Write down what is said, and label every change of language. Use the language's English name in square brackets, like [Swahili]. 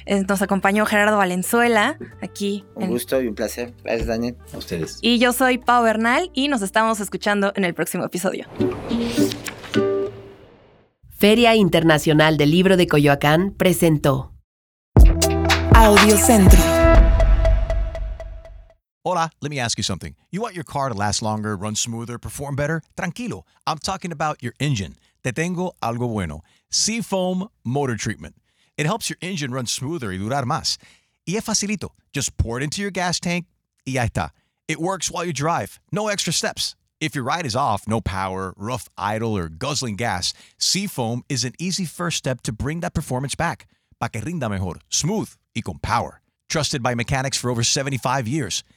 [Spanish] Nos acompañó Gerardo Valenzuela aquí. Un gusto y un placer. Gracias, Daniel. A ustedes. Y yo soy Pau Bernal y nos estamos escuchando en el próximo episodio. Feria Internacional del Libro de Coyoacán presentó Audio Centro. [English] Hola, let me ask you something. You want your car to last longer, run smoother, perform better? Tranquilo, I'm talking about your engine. [Spanish] Te tengo algo bueno. [English] Seafoam Motor Treatment. It helps your engine run smoother [Spanish] y durar más. Y es facilito. [English] Just pour it into your gas tank [Spanish] y ya está. [English] It works while you drive. No extra steps. If your ride is off, no power, rough idle, or guzzling gas, Seafoam is an easy first step to bring that performance back. [Spanish] Pa' que rinda mejor, smooth, y con power. [English] Trusted by mechanics for over 75 years.